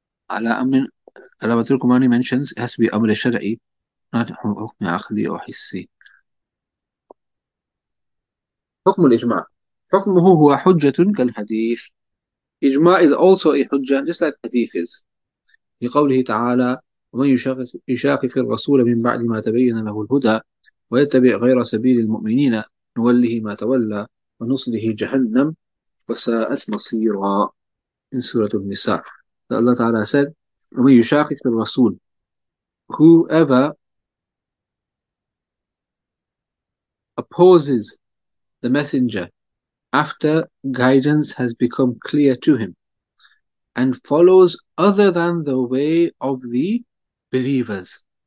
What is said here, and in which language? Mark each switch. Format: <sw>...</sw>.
<en>Allah Kumani mentions it has to be Amr Shara'i, not Hukm Akhli or Hissi.</en> <ar>Hukm al Ijma. Hukmuhu huwa hujjatun kal hadith.</ar> <en>Ijma is also a hujjah, just like hadith is.</en> <ar>Li qawlihi ta'ala, وَمَنْ يُشَاقِقِ الرَّسُولَ مِنْ بَعْدِ مَا تَبَيَّنَ لَهُ الْهُدَى وَيَتَّبِعْ غَيْرَ سَبِيلِ الْمُؤْمِنِينَ نُوَلِّهِ مَا تَوَلَّى وَنُصْلِهِ جَهَنَّمَ وَسَاءَتْ مَصِيرًا.</ar> <en>In Surah Al-Nisa. that Allah Ta'ala said,</en> <ar>وَمَنْ يُشَاقِقِ الرَّسُولِ,</ar> <en>whoever opposes the messenger after guidance has become clear to him and follows other than the way of the believers.</en>